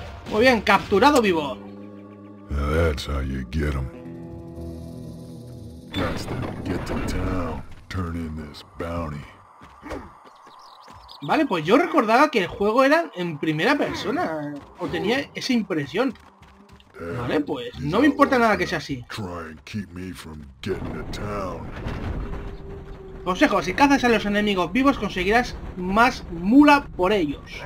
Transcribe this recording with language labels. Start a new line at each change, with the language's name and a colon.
Spanish: Muy bien, capturado vivo.
English: That's how you get them. Get to town. Turn in this bounty.
Spanish: Vale, pues yo recordaba que el juego era en primera persona, o tenía esa impresión. Vale, pues no me importa nada que sea así.
English: Try and keep me from getting to town.
Spanish: Consejo, si cazas a los enemigos vivos conseguirás más mula por ellos.